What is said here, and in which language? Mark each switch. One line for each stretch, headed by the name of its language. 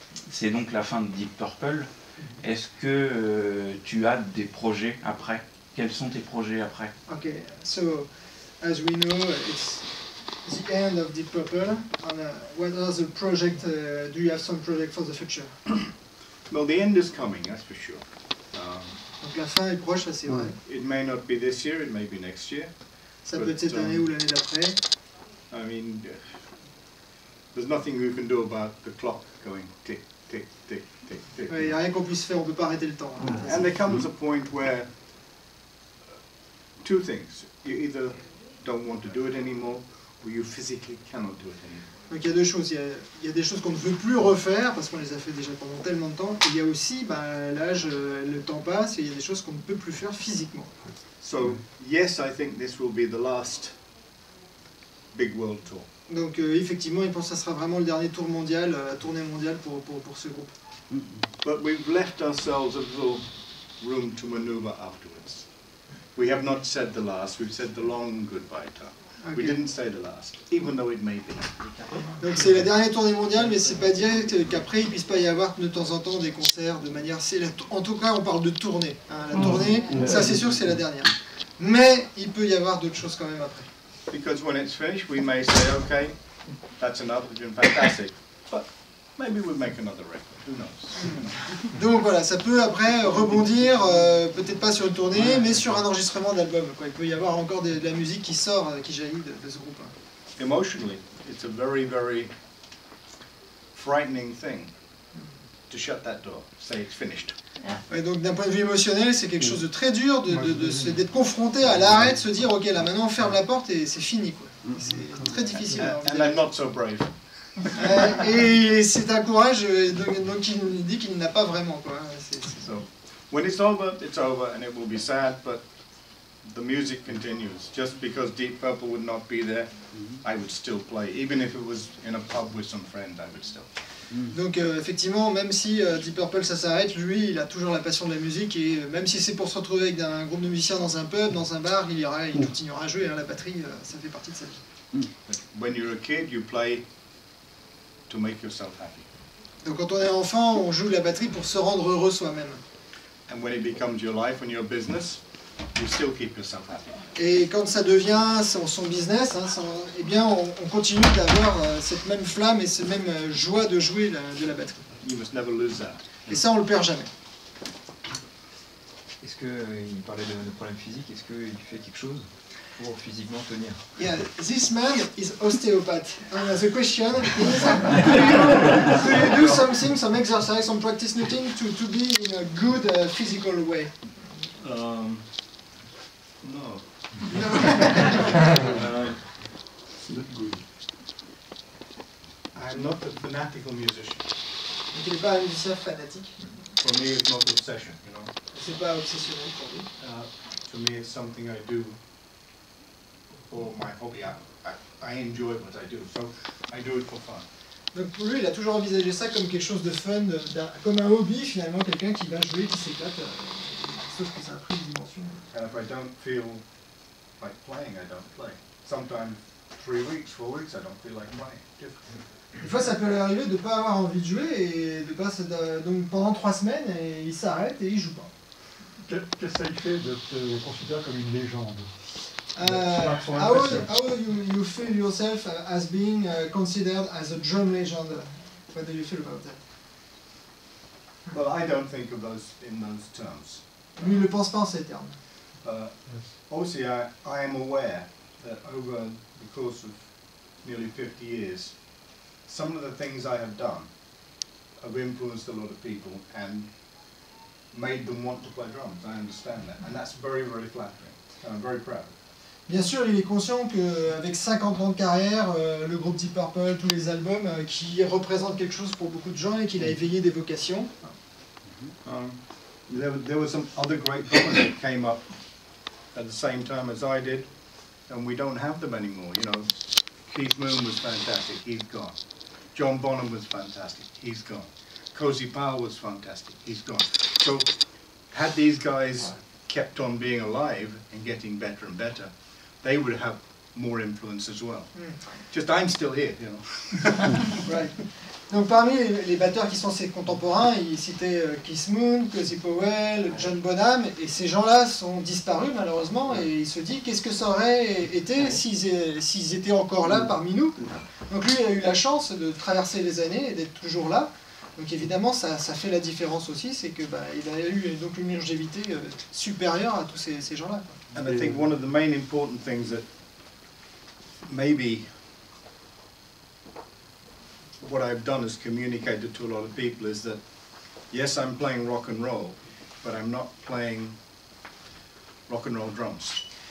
French: C'est donc la fin de Deep Purple. Est-ce que tu as des projets après? Quels sont tes projets après?
English: Ok, so, as we know, it's the end of Deep Purple. And, what are the projects? Do you have some projects for the future? Well, the end is coming, that's for sure.
French: Donc la fin est proche, c'est vrai.
English: It may not be this year, it may be next year.
French: Ça peut être cette année ou l'année d'après.
English: I mean, there's nothing we can do about the clock going tick, tick, tick, tick, tick.
French: Il n'y a rien qu'on puisse faire, on ne peut pas arrêter le temps.
English: And there comes a point where two things. You either don't want to do it anymore, or you physically cannot do it anymore.
French: Donc il y a deux choses. Il y a des choses qu'on ne veut plus refaire, parce qu'on les a fait déjà pendant tellement de temps. Et il y a aussi, l'âge, le temps passe, et il y a des choses qu'on ne peut plus faire physiquement.
English: So, yes, I think this will be the last big world tour.
French: Donc, effectivement, il pense que ça sera vraiment le dernier tour mondial, la tournée mondiale pour ce groupe.
English: But we've left ourselves a little room to maneuver afterwards. We have not said the last, we've said the long goodbye tour. Okay. We didn't say the last, even though it may be.
French: Donc, c'est la dernière tournée mondiale, mais c'est pas direct qu'après, il puisse pas y avoir de temps en temps des concerts de manière... En tout cas, on parle de tournée. Hein. La tournée, ça c'est sûr que c'est la dernière. Mais il peut y avoir d'autres choses quand même après.
English: Because when it's finished, we may say, okay, that's enough, it's been fantastic. But maybe we'll make another record, who knows?
French: Donc voilà, ça peut après rebondir, peut-être pas sur une tournée, mais sur un enregistrement d'album. Quoi. Il peut y avoir encore de la musique qui sort, qui jaillit de ce groupe.
English: Emotionally, it's a very, very frightening thing to shut that door, say it's finished.
French: Ouais, donc d'un point de vue émotionnel, c'est quelque chose de très dur d'être confronté à l'arrêt, de se dire ok là maintenant on ferme la porte et c'est fini quoi. C'est très difficile.
English: And I'm not so brave.
French: Et c'est un courage donc il dit qu'il n'a pas vraiment quoi.
English: So when it's over and it will be sad, but the music continues. Just because Deep Purple would not be there, I would still play. Even if it was in a pub with some friend, I would still.
French: Donc effectivement, même si Deep Purple ça s'arrête, lui il a toujours la passion de la musique et même si c'est pour se retrouver avec un groupe de musiciens dans un pub, dans un bar, il continuera à jouer, hein, la batterie ça fait partie de sa vie.
English: When you're a kid, you play to make yourself happy.
French: Donc quand on est enfant, on joue la batterie pour se rendre heureux soi-même.
English: And when it becomes your life, when you're business, you still keep yourself happy.
French: Et quand ça devient son business, hein, on continue d'avoir cette même flamme et cette même joie de jouer de la batterie.
English: You must never lose that.
French: Et ça, on le perd jamais. Est-ce qu'il parlait de problèmes physiques? Est-ce qu'il fait quelque chose pour physiquement tenir?
English: Yeah, this man is osteopath. The question is, do you do something, some exercise, some practice routine to be in a good physical way? No. It's not good. I'm not a fanatical musician.
French: Donc, il n'est pas un musicien fanatique.
English: For me, it's not obsession, you know.
French: C'est pas obsessionnel pour lui.
English: To me, it's something I do for my hobby. I enjoy what I do, so I do it for fun.
French: Donc pour lui, il a toujours envisagé ça comme quelque chose de fun, comme un hobby finalement, quelqu'un qui va jouer, qui s'éclate. Sauf que ça a pris une dimension.
English: And if I don't feel like playing, I don't play. Sometimes, 3 weeks, 4 weeks, I don't feel like playing.
French: Des fois, ça peut lui arriver de ne pas avoir envie de jouer, et de pas donc pendant 3 semaines, et il s'arrête et il ne joue pas. Qu'est-ce que ça lui fait de te considérer comme une légende?
English: How you feel yourself as being considered as a drum legend? What do you feel about that? Well, I don't think of those in those terms.
French: Lui ne pense pas en ces termes. Aussi,
English: I am aware that over the course of nearly 50 years, some of the things I have done have influenced a lot of people and made them want to play drums. I understand that. And that's very, very flattering. And I'm very proud.
French: Bien sûr, il est conscient qu'avec 50 ans de carrière, le groupe Deep Purple, tous les albums, qui représentent quelque chose pour beaucoup de gens et qu'il a éveillé des vocations.
English: There were some other great drummers that came up at the same time as I did, and we don't have them anymore. You know, Keith Moon was fantastic. He's gone. John Bonham was fantastic, he's gone. Cozy Powell was fantastic, he's gone. So had these guys kept on being alive and getting better and better, they would have more influence as well. Mm. Just I'm still here, you know. Right.
French: Donc parmi les batteurs qui sont ses contemporains, il citait Keith Moon, Cozy Powell, John Bonham, et ces gens-là sont disparus malheureusement, et il se dit qu'est-ce que ça aurait été s'ils étaient encore là parmi nous. Donc lui a eu la chance de traverser les années et d'être toujours là. Donc évidemment, ça fait la différence aussi, c'est que il a eu donc une longévité supérieure à tous ces gens-là.
English: And I think one of the main important things that maybe what I've done is communicated to a lot of people is that yes, I'm playing rock and roll, but I'm not playing rock and roll drums.